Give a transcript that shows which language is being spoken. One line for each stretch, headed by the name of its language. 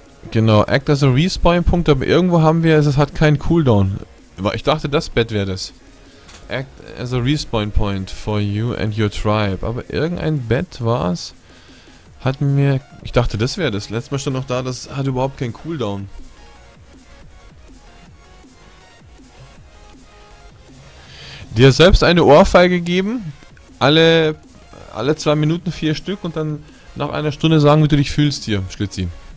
German: Genau,
English: Act as a Respawn
German: Punkt, aber irgendwo haben wir es, es hat keinen Cooldown. Ich dachte, das Bett wäre das.
English: Act as a respawn point for you and your tribe.
German: Aber irgendein Bett war's. Hatten wir. Ich dachte, das wäre das. Letztes Mal stand noch da, das hat überhaupt keinen Cooldown. Dir selbst eine Ohrfeige geben. Alle 2 Minuten 4 Stück und dann nach einer Stunde sagen, wie du dich fühlst hier, Schlitzi.